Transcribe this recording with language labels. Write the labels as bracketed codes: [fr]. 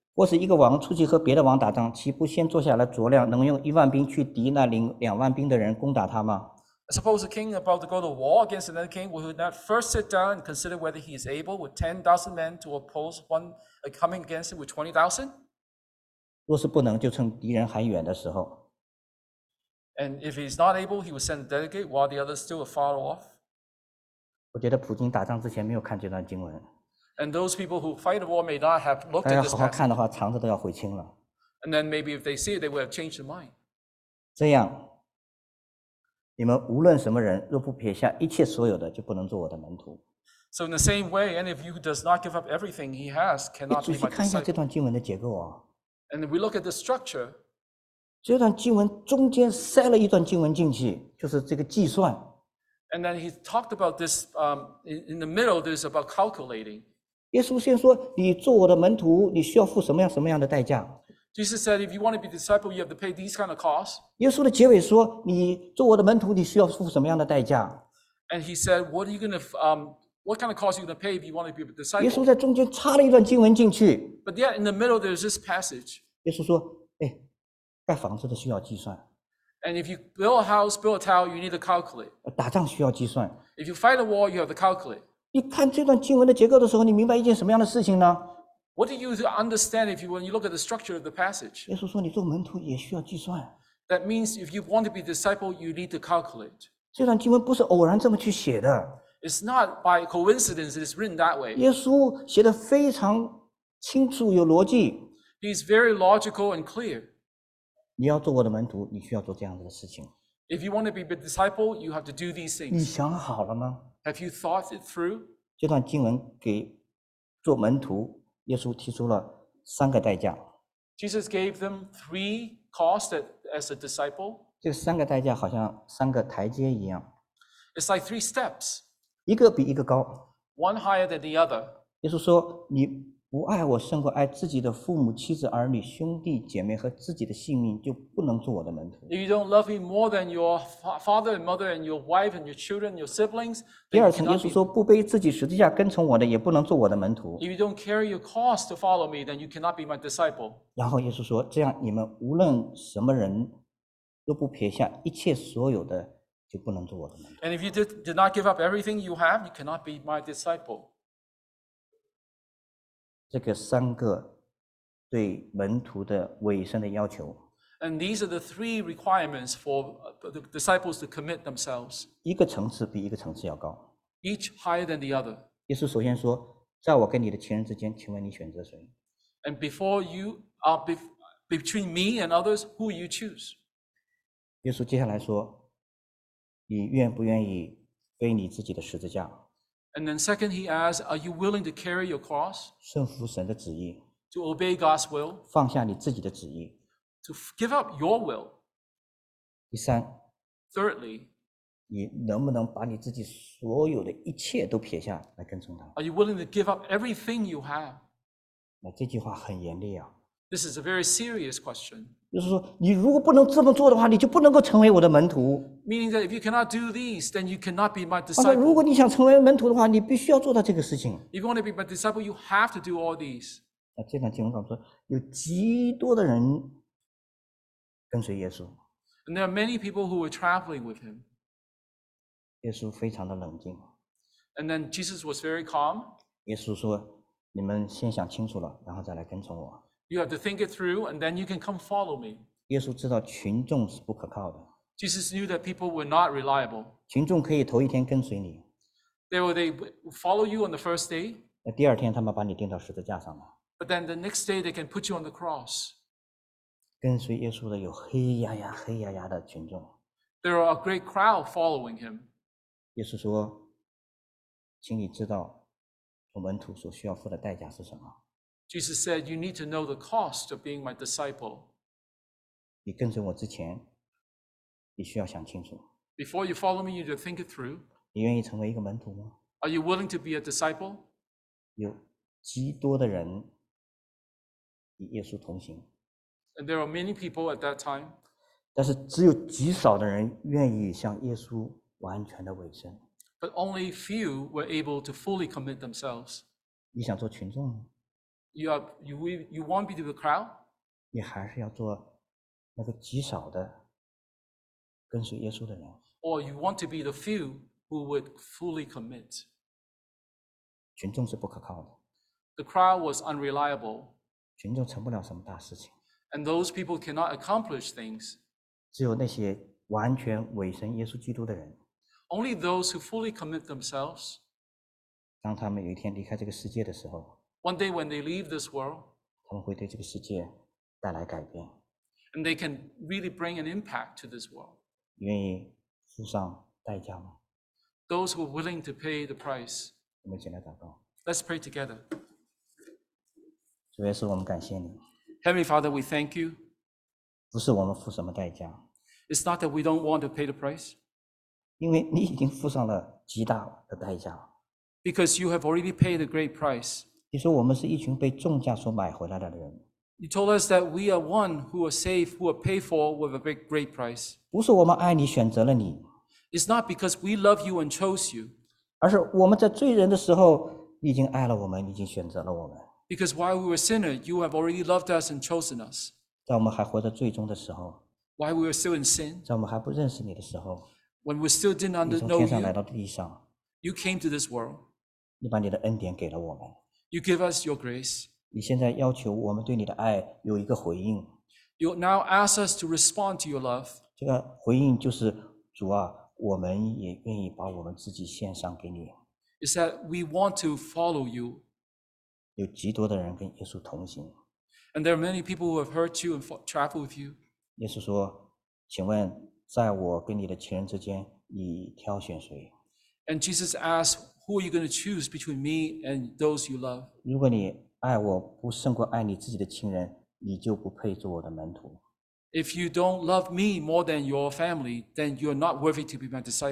[zh] 或是一个王出去和别的王打仗，岂不先坐下来酌量，能用一万兵去敌那领两万兵的人攻打他吗？ [en] I suppose a king about to go to war against another king, will he not first sit down and consider whether he is able with 10,000 men to oppose one coming against him with 20,000? [zh] 若是不能，就趁敌人还远的时候。 [en] And if he's not able, he will send a delegate while the others still are far off. [zh] 我觉得普京打仗之前没有看这段经文。 [en] And those people who fight the war may not have looked at this passage. [zh] 大家好好看的话，肠子都要悔青了。 [en] And then maybe if they see it, they will have changed their mind. [zh] 这样，你们无论什么人，若不撇下一切所有的，就不能做我的门徒。 [en] So in the same way, any of you who does not give up everything he has cannot be my disciple. [zh] 仔细看一下这段经文的结构啊。 [en] And we look at the structure. [zh] 这段经文中间塞了一段经文进去，就是这个计算。 [en] And then he talked about this, in the middle, there's about calculating. [zh] 耶稣先说，你做我的门徒，你需要付什么样什么样的代价。 [en] Jesus said, if you want to be a disciple, you have to pay these kind of costs. [zh] 耶稣的结尾说，你做我的门徒，你需要付什么样的代价。 [en] And he said, what are you going to, What kind of cost are you going to pay if you want to be a disciple? [zh] 耶稣在中间插了一段经文进去。 [en] But yet in the middle there's this passage. [zh] 耶稣说，哎，盖房子的需要计算。 [en] And if you build a house, build a tower, you need to calculate. [zh] 打仗需要计算。 [en] If you fight a war, you have to calculate. [zh] 你看这段经文的结构的时候，你明白一件什么样的事情呢？ [en] What do you understand if you, when you look at the structure of the passage? [zh] 耶稣说，你做门徒也需要计算。 [en] That means if you want to be a disciple, you need to calculate. [zh] 这段经文不是偶然这么去写的。 [en] It's not by coincidence it's written that way. [zh] 耶稣写得非常清楚有逻辑。 [en] He's very logical and clear. [zh] 你要做我的门徒，你需要做这样子的事情。 [en] If you want to be a disciple, you have to do these things. [zh] 你想好了吗？ [en] Have you thought it through? [zh] 这段经文给做门徒，耶稣提出了三个代价。 [en] Jesus gave them three costs as a disciple. [zh] 这三个代价好像三个台阶一样。 [en] It's like three steps. [zh] 一个比一个高。 [en] One higher than the other. [zh] 耶稣说，你不爱我胜过爱自己的父母、妻子、儿女、兄弟、姐妹和自己的性命，就不能做我的门徒。 [en] If you don't love me more than your father and mother and your wife and your children, your siblings, [zh] 第二层，耶稣说，不背自己十字架跟从我的，也不能做我的门徒。 [en] If you don't carry your cross to follow me, then you cannot be my disciple. [zh] 然后耶稣说，这样你们无论什么人，都不撇下一切所有的。就不能做我的门徒。 [en] And if you did not give up everything you have, you cannot be my disciple. [zh] 这个三个对门徒的委身的要求。 [en] And these are the three requirements for the disciples to commit themselves. [zh] 一个层次比一个层次要高。 [en] Each higher than the other. [zh] 耶稣首先说，在我跟你的情人之间，请问你选择谁？ [en] And before you are between me and others, who you choose? [zh] 耶稣接下来说，你愿不愿意背你自己的十字架？ [en] And then second he asks, are you willing to carry your cross? [zh] 顺服神的旨意。 [en] To obey God's will. [zh] 放下你自己的旨意。 [en] To give up your will. [zh] 第三。 [en] Thirdly. [zh] 你能不能把你自己所有的一切都撇下来跟从他？ [en] Are you willing to give up everything you have? [zh] 那这句话很严厉啊。 [en] This is a very serious question. [zh] 就是说，你如果不能这么做的话，你就不能够成为我的门徒。 [en] Meaning that if you cannot do these, then you cannot be my disciple. [zh] 如果你想成为门徒的话，你必须要做到这个事情。 [en] If you want to be my disciple, you have to do all these. [zh] 那这段经文告诉我们，有极多的人跟随耶稣。 [en] And there are many people who were traveling with him. [zh] 耶稣非常的冷静。 [en] And then Jesus was very calm. [zh] 耶稣说，你们先想清楚了，然后再来跟从我。 [en] You have to think it through, and then you can come follow me. [zh] 耶稣知道群众是不可靠的。 [en] Jesus knew that people were not reliable. [zh] 群众可以头一天跟随你。 [en] They follow you on the first day. [zh] 第二天他们把你钉到十字架上了。 [en] But then the next day they can put you on the cross. [zh] 跟随耶稣的有黑压压、黑压压的群众。 [en] There are a great crowd following him. [zh] 耶稣说，请你知道我门徒所需要付的代价是什么。 [en] Jesus said, you need to know the cost of being my disciple. [zh] 你跟随我之前，你需要想清楚。 [en] Before you follow me, you need to think it through. [zh] 你愿意成为一个门徒吗？ [en] Are you willing to be a disciple? [zh] 有极多的人与耶稣同行。 [en] And there are many people at that time. [zh] 但是只有极少的人愿意向耶稣完全的委身。 [en] But only few were able to fully commit themselves. [zh] 你想做群众吗？ [en] You want to be the crowd? [zh] 你还是要做那个极少的跟随耶稣的人。 [en] Or you want to be the few who would fully commit. [zh] 群众是不可靠的。 [en] The crowd was unreliable. [zh] 群众成不了什么大事情。 [en] And those people cannot accomplish things. [zh] 只有那些完全委身耶稣基督的人。 [en] Only those who fully commit themselves. [zh] 当他们有一天离开这个世界的时候。 [en] One day when they leave this world, [zh] 他们会对这个世界带来改变。 [en] And they can really bring an impact to this world. [zh] 愿意付上代价吗？ [en] Those who are willing to pay the price. [zh] 我们先来祷告。 [en] Let's pray together. [zh] 主耶稣，我们感谢你。 [en] Heavenly Father, we thank you. [zh] 不是我们付什么代价。 [en] It's not that we don't want to pay the price. [zh] 因为你已经付上了极大的代价。 [en] Because you have already paid a great price. [zh] 你说我们是一群被重价所买回来的人。 [en] You told us that we are one who are saved, who are paid for with a big, great price. [zh] 不是我们爱你选择了你。 [en] It's not because we love you and chose you. [zh] 而是我们在罪人的时候，你已经爱了我们，已经选择了我们。 [en] Because while we were sinners, you have already loved us and chosen us. [zh] 在我们还活在罪中的时候。 [en] While we were still in sin. [zh] 在我们还不认识你的时候。 [en] When we still didn't know you. [zh] 你从天上来到地上。 [en] You came to this world. [zh] 你把你的恩典给了我们。 [en] You give us your grace. [zh] 你现在要求我们对你的爱有一个回应。 [en] You now ask us to respond to your love. [zh] 这个回应就是，主啊，我们也愿意把我们自己献上给你。 [en] Is that we want to follow you. [zh] 有极多的人跟耶稣同行。 [en] And there are many people who have hurt you and traveled with you. [zh] 耶稣说，请问在我跟你的情人之间，你挑选谁？ [en] And Jesus asked,Who are you going to choose between me and those you love? [zh] 如果你爱我不胜过爱你自己的亲人，你就不配做我的门徒。 [en] If you don't love me more than your family, then you're not worthy to be my disciple.